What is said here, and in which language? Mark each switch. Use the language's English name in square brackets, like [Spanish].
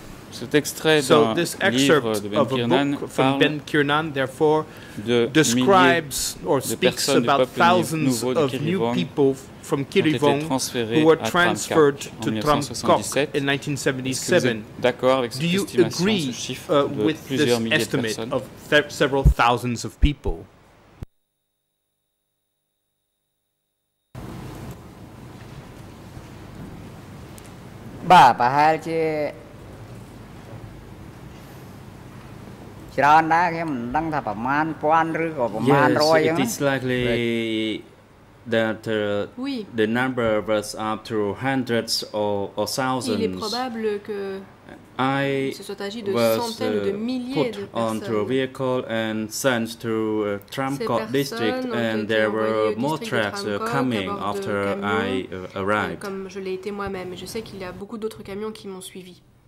[French] Cet extrait d'un livre de Ben Kiernan parle Ben Kiernan, de milliers de personnes du peuple nouveau de Kirivong [English] from Kirivong who were transferred to Tram Kok in 1977. Do you agree with this estimate of several thousands of people? Yes, it is likely that the number was up to hundreds or thousands. [French] Il est probable que [English] I was put onto a vehicle and sent to Tram Kok district, and there were more tracks coming after I arrived. [French] Comme je l'ai été moi-même, je sais qu'il y a beaucoup d'autres camions qui m'ont suivi.